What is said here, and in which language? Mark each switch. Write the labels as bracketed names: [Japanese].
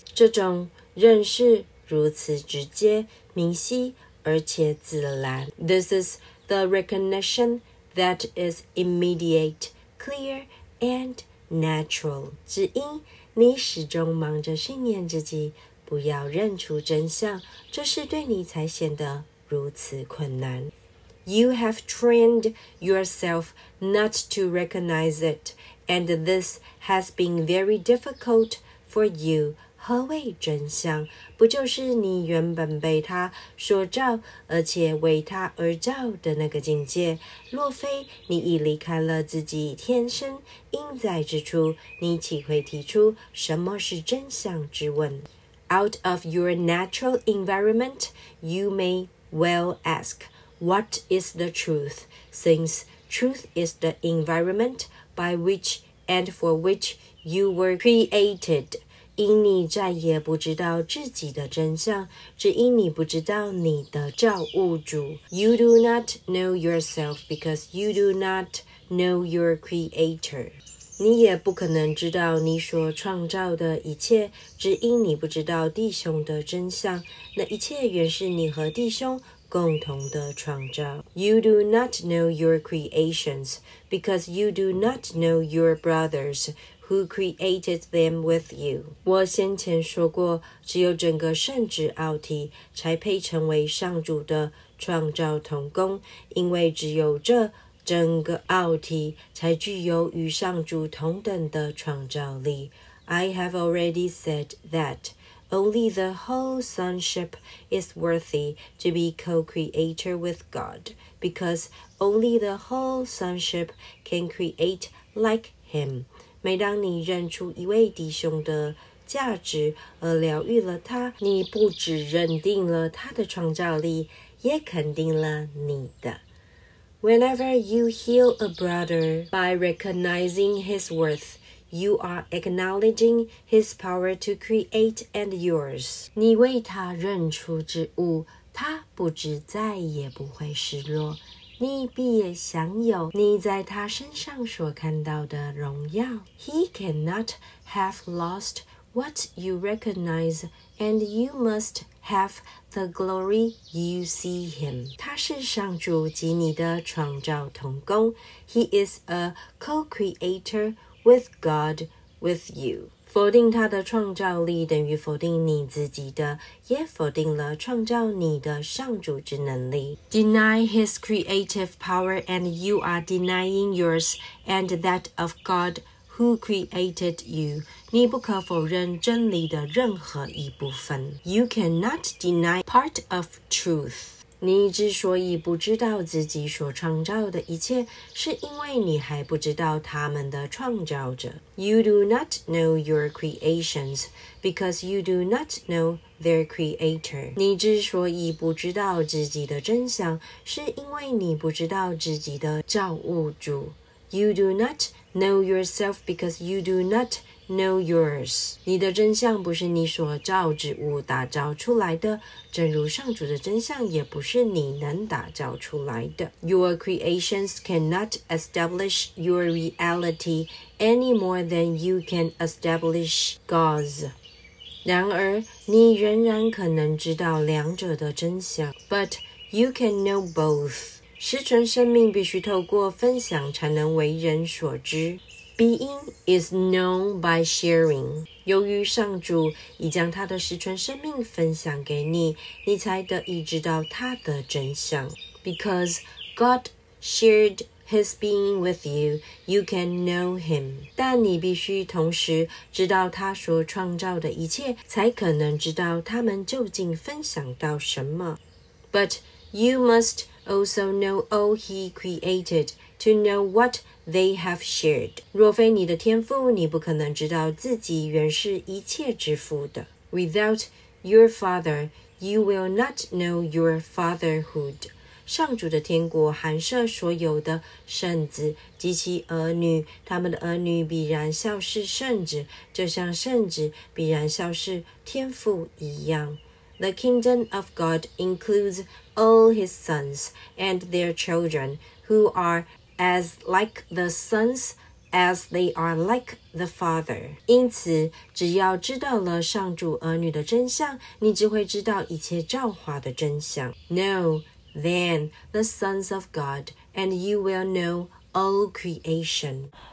[Chinese] 这种认识如此直接、明晰而且自然。 [English] This is the recognition that is immediate, clear, and natural. [Chinese] 只因你始终忙着训练自己不要认出真相，这是对你才显得如此困难。 [English] You have trained yourself not to recognize it, and this has been very difficult for you. [Chinese] 何谓真相？不就是你原本被他所照，而且为他而照的那个境界？若非你已离开了自己天生应在之处，你岂会提出什么是真相之问？ [English] Out of your natural environment, you may well ask, what is the truth? Since truth is the environment by which and for which you were created. [Chinese] 因你再也不知道自己的真相，只因你不知道你的造物主。 [English] You do not know yourself because you do not know your creator. [Chinese] 你也不可能知道你所创造的一切，只因你不知道弟兄的真相，那一切原是你和弟兄共同的创造。 [English] You do not know your creations because you do not know your brothers who created them with you. [Chinese] 我先前说过，只有整个圣旨奥体才配成为上主的创造同工，因为只有这整个奥体才具有与上主同等的创造力。 [English] I have already said that only the whole sonship is worthy to be co-creator with God, because only the whole sonship can create like Him. [Chinese] 每当你认出一位弟兄的价值而疗愈了他，你不只认定了他的创造力，也肯定了你的。 [English] Whenever you heal a brother by recognizing his worth, you are acknowledging his power to create and yours. [Chinese] 你为他认出之物，他不止再也不会失落，你必也享有你在他身上所看到的荣耀。 [English] He cannot have lost what you recognize, and you must have the glory you see him. [Chinese] 他是上主及你的创造同工。 [English] He is a co-creator with God with you. [Chinese] 否定他的创造力等于否定你自己的，也否定了创造你的上主之能力。 [English] Deny his creative power and you are denying yours and that of God who created you. [Chinese] 你不可否认真理的任何一部分。 [English] You cannot deny part of truth. [Chinese] 你之所以不知道自己所创造的一切，是因为你还不知道他们的创造者。 [English] You do not know your creations because you do not know their creator. [Chinese] 你之所以不知道自己的真相，是因为你不知道自己的造物主。 [English] You do not know yourself because you do notKnow yours. [Chinese] 你的真相不是你所造之物打造出来的，正如上主的真相也不是你能打造出来的。 [English] Your creations cannot establish your reality any more than you can establish God's. [Chinese] 然而你仍然可能知道两者的真相。 [English] But you can know both. [Chinese] 实存生命必须透过分享才能为人所知。 [English] Being is known by sharing. [Chinese] 由于上主已将他的实存生命分享给你，你才得以知道他的真相。 [English] Because God shared his being with you, you can know him. [Chinese] 但你必须同时知道他所创造的一切，才可能知道他们究竟分享到什么。 [English] But you must also know all he created to know what they have shared. [Chinese] 若非你的天父，你不可能知道自己原是一切之父的。 [English] Without your father, you will not know your fatherhood. [Chinese] 上主的天国含摄所有的圣子及其儿女，他们的儿女必然效是圣子，就像圣子必然效是天父一样。 [English] The kingdom of God includes all his sons and their children who are as like the sons, as they are like the father. [Chinese] 因此，只要知道了上主儿女的真相，你只会知道一切造化的真相。 [English] Know then the sons of God, and you will know all creation.